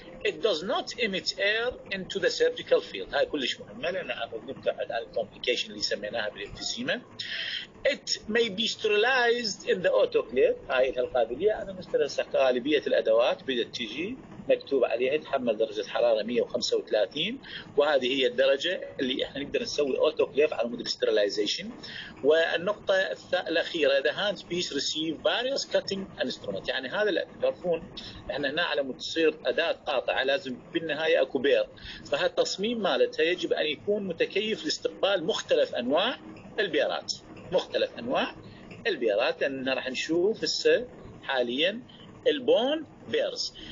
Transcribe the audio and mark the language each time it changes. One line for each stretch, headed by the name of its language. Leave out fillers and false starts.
English: It does not emit air into the surgical field.
Arabic: هاي كلش مهمة لان نبتعد عن الكومبليكيشن اللي سميناها بالانفيزيما.
English: It may be sterilized in the autoclave.
Arabic: هاي هي القابلية. انا مستلزم غالبية الادوات بدأت تجي مكتوب عليها يتحمل درجة حرارة 135، وهذه هي الدرجة اللي احنا نقدر نسوي اوتوكليف على مود الاسترلايزيشن. والنقطة الأخيرة
English: the hand piece receive various cutting instruments.
Arabic: يعني هذا اللي تعرفون احنا هنا على مود تصير أداة قاطعة لازم بالنهاية اكو بير، فهالتصميم مالتها يجب أن يكون متكيف لاستقبال مختلف أنواع البيرات، مختلف أنواع البيرات. لأننا راح نشوف هسه حاليا البون بيرز.